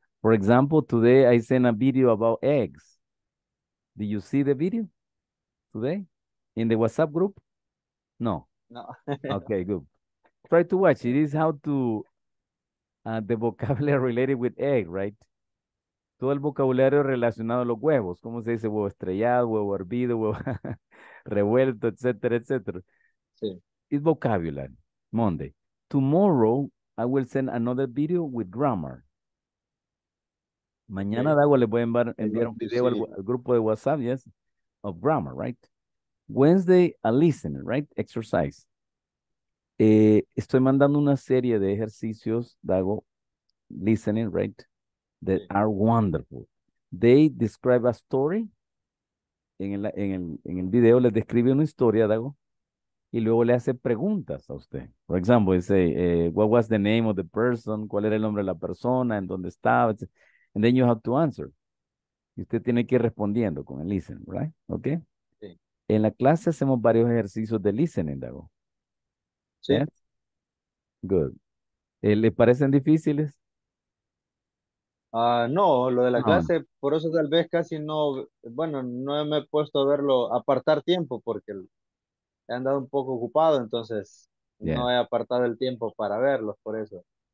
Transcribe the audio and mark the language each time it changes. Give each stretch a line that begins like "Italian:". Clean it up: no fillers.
English: For example, today I send a video about eggs. Did you see the video today? In the WhatsApp group? No. No. Okay, good. Try to watch. It is how to, the vocabulary related with egg, right?
Spanish: Todo el vocabulario relacionado a los huevos. ¿Cómo se dice? Huevo estrellado, huevo hervido, huevo revuelto, etcétera, etcétera. Sí.
English: It's vocabulary. Monday. Tomorrow, I will send another video with grammar.
Spanish: Mañana, Dago, les voy a enviar un video al grupo de WhatsApp,
English: yes, of grammar, right? Wednesday, a listener, right? Exercise.
Spanish: Estoy mandando una serie de ejercicios, Dago,
English: listening, right? That are wonderful. They describe a story.
Spanish: En el video les describe una historia, Dago, y luego le hace preguntas a usted.
English: For example, they say, what was the name of the person?
Spanish: ¿Cuál era el nombre de la persona? ¿En dónde estaba?
English: And then you have to answer.
Spanish: Y usted tiene que ir respondiendo con el listen,
English: right? Okay.
Spanish: En la clase hacemos varios ejercicios de listening, Dago. Sí. Yeah? Good. ¿Le parecen difíciles? No, lo de la clase, por eso tal vez casi no, bueno, no me he puesto a verlo, apartar tiempo, porque he andado un poco ocupado, entonces no he apartado el tiempo para verlo, por eso.